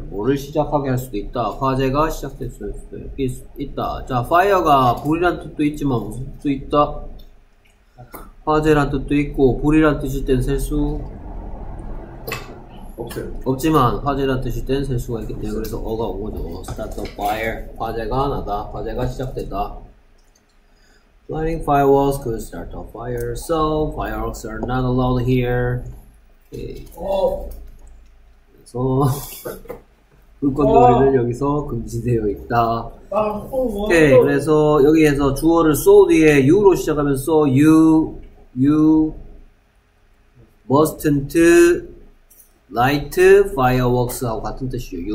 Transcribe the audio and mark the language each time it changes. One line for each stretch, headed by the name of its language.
Korean: 뭐를 시작하게 할 수도 있다. 화재가 시작될 수도 있다. 자, fire가 불이란 뜻도 있지만 무슨 뜻도 있다. 화재란 뜻도 있고 불이란 뜻일 땐 셀수 없어요. 없지만 화재란 뜻일 땐 셀수가 있기 때문에 그래서 어가 오죠.
English: Start the fire.
Korean: 화재가 나다. 화재가 시작됐다.
English: Lighting fireworks could start a fire, so fireworks are not allowed here. Okay.
Korean: 그래서 불꽃놀이는 여기서 금지되어 있다. 오케이. 그래서 여기에서 주어를 so 뒤에 you로 시작하면
English: so you mustn't light fireworks
Korean: 하고 같은 뜻이에요.